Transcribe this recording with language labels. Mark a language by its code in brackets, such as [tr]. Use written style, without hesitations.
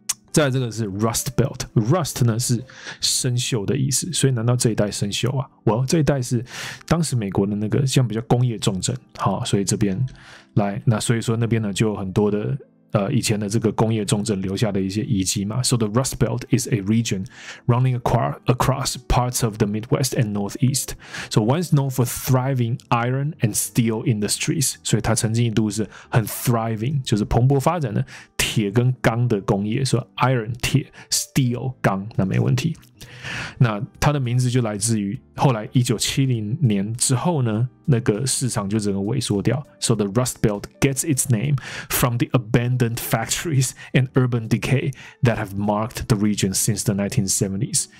[zh] 再来这个是 Rust Belt， Rust 呢是生锈的意思，所以难道这一带生锈啊？我、这一带是当时美国的那个像比较工业重镇，好、哦，所以这边来，那所以说那边呢就有很多的以前的这个工业重镇留下的一些遗迹嘛。 [en] So the Rust Belt is a region running across parts of the Midwest and Northeast. So once known for thriving iron and steel industries， [zh] 所以它曾经一度是很 thriving， 就是蓬勃发展的。铁跟钢的工业，所以 iron 铁 steel 钢，那没问题。那它的名字就来自于后来1970年之后呢，那个市场就整个萎缩掉。 [en] So the Rust Belt gets its name from the abandoned factories and urban decay that have marked the region since the 1970s.